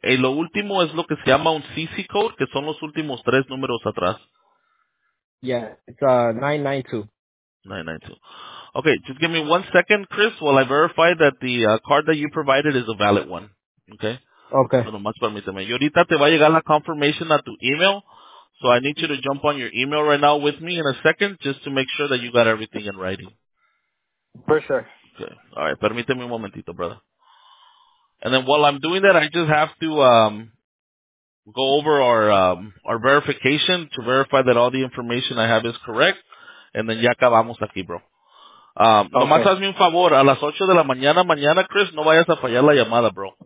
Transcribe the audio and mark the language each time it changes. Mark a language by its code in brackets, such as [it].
[es] Y lo último es lo que se llama un CC code, que son los últimos tres números atrás. [en] Yeah. It's 992. 992. Okay. Just give me 1 second, Chris, while I verify that the card that you provided is a valid one. Okay? Okay. [es] Bueno, más permíteme. Y ahorita te va a llegar la confirmation a tu email. [en] So I need you to jump on your email right now with me in a second just to make sure that you got everything in writing. For sure. Okay. All right. [es] Permíteme un momentito, [en] brother. And then while I'm doing that, I just have to go over our verification to verify that all the information I have is correct. And then [es] ya acabamos aquí, [en] bro. Okay. [es] Nomás hazme un favor. A las 8 de la mañana, mañana, Chris, no vayas a fallar la llamada, bro.